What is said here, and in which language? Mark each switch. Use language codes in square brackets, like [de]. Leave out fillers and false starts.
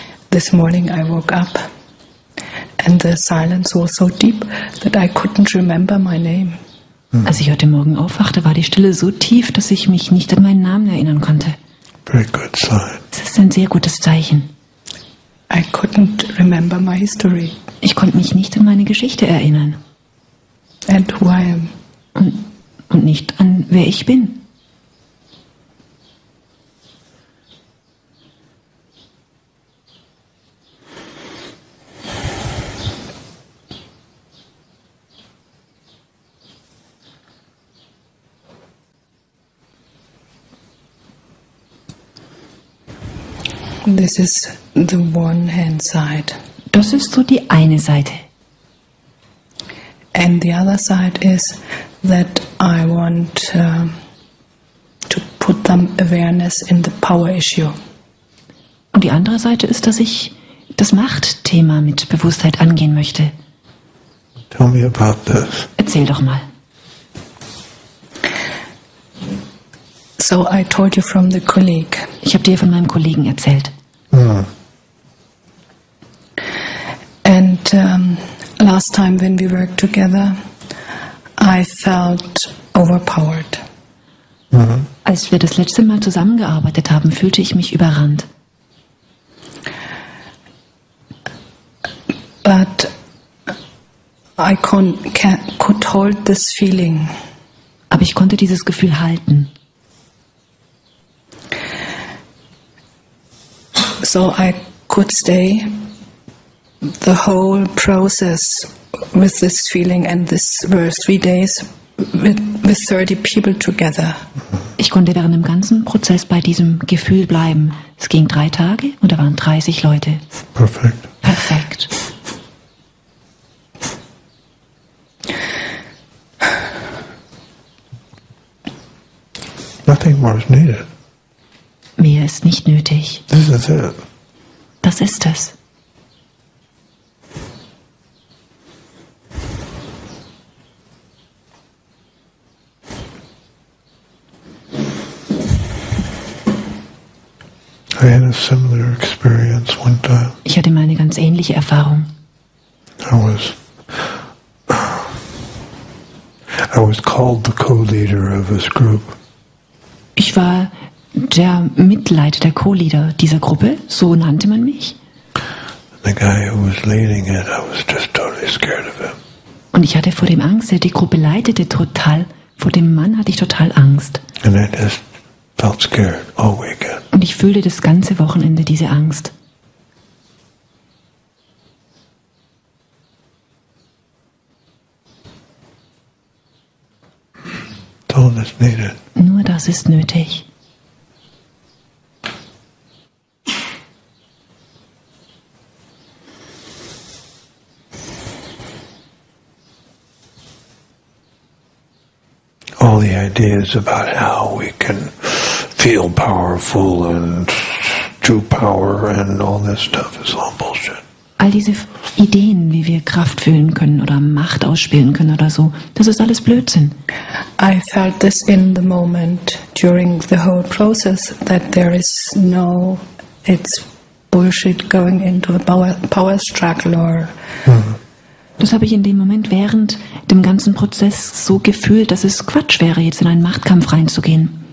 [en] This morning I woke up and the silence was so deep that I couldn't remember my name. [de] Als ich heute Morgen aufwachte, war die Stille so tief, dass ich mich nicht an meinen Namen erinnern konnte. [en] Very good sign. [de] Das ist ein sehr gutes Zeichen. [en] I couldn't remember my history. [de] Ich konnte mich nicht an meine Geschichte erinnern. [en] And who I am. [de] Und nicht an wer ich bin. [en] This is the one hand side. [de] Das ist so die eine Seite. [en] And the other side is that I want to put them awareness in the power issue. [de] Und die andere Seite ist, dass ich das Machtthema mit Bewusstheit angehen möchte. [en] Tell me about this. [de] Erzähl doch mal. [en] So I told you from the colleague. [de] Ich habe dir von meinem Kollegen erzählt. [en] And last time when we worked together, I felt overpowered. [de] Als wir das letzte Mal zusammengearbeitet haben, fühlte ich mich überrannt. [en] But I could hold this feeling. [de] Aber ich konnte dieses Gefühl halten. [en] So I could stay the whole process with this feeling and this were 3 days with 30 people together. [de] Ich konnte während dem ganzen Prozess bei diesem Gefühl bleiben. Es ging 3 Tage und da waren 30 Leute. Perfekt. Perfekt. [en] Nothing more is needed. [de] Mehr ist nicht nötig. [en] This is it. [de] Das ist es. [en] I had a similar experience one time. [de] Ich hatte mal eine ganz ähnliche Erfahrung. [en] I was called the co-leader of this group. [de] Ich war der Mitleiter, der Co-Leader dieser Gruppe, so nannte man mich. [en] The guy who was leading it, I was just totally scared of him. [de] Und ich hatte vor dem Angst, der die Gruppe leitete, total, vor dem Mann hatte ich total Angst. [en] And I just felt scared all weekend. [de] Und ich fühlte das ganze Wochenende diese Angst. [en] is needed. [de] Nur das ist nötig. [en] All the ideas about how we can feel powerful and do power and all this stuff is all bullshit. [de] All diese Ideen, wie wir Kraft fühlen können oder Macht ausspielen können oder so, das ist alles Blödsinn. [en] I felt this in the moment during the whole process that there is no, it's bullshit going into a power struggle or. [de] Das habe ich in dem Moment während dem ganzen Prozess so gefühlt, dass es Quatsch wäre, jetzt in einen Machtkampf reinzugehen.